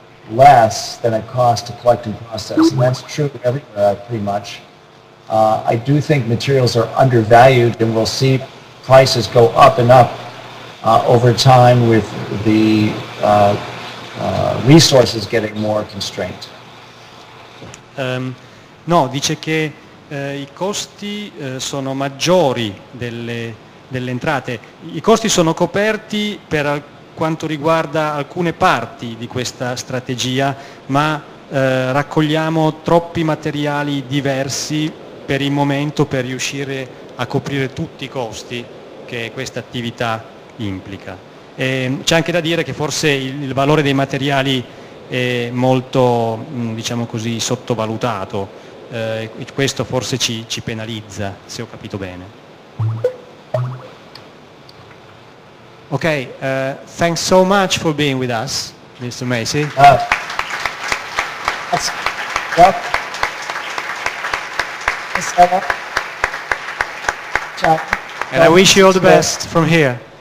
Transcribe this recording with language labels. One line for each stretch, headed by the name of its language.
English: less than it costs to collect and process, and that's true everywhere, pretty much. I do think materials are undervalued, and we'll see prices go up and up over time with the resources getting more constrained.
Italian: No, dice che i costi sono maggiori delle entrate. I costi sono coperti per quanto riguarda alcune parti di questa strategia, ma raccogliamo troppi materiali diversi per il momento per riuscire a coprire tutti i costi che questa attività implica. E c'è anche da dire che forse il valore dei materiali è molto, diciamo così, sottovalutato. Questo forse ci penalizza, se ho capito bene.
English: Okay, thanks so much for being with us, Mr. Macy. And I wish you all the best from here.